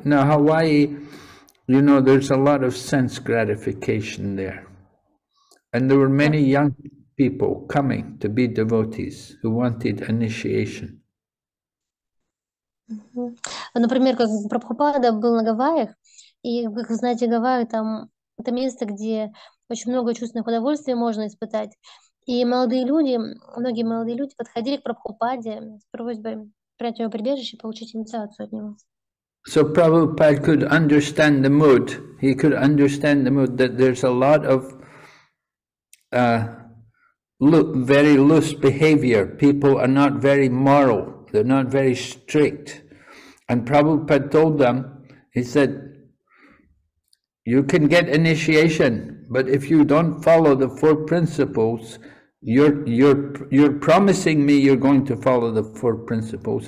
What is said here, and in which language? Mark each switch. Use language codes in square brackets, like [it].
[en] Now Hawaii, you know, there's a lot of sense gratification there. And there were many young people coming to be devotees who wanted initiation. [ru] Например, как Прабхупада был на Гавайях, и, как вы знаете, Гавайи там это место, где очень много чувственных удовольствий можно испытать. И молодые люди, многие молодые люди подходили к Прабхупаде с просьбой принять его прибежище и получить инициацию от него. [en] So Prabhupada could understand the mood. He could understand the mood that there's a lot of very loose behavior. People are not very moral. They're not very strict. And Prabhupada told them, he said, you can get initiation, but if you don't follow the four principles, you're promising me you're going to follow the four principles.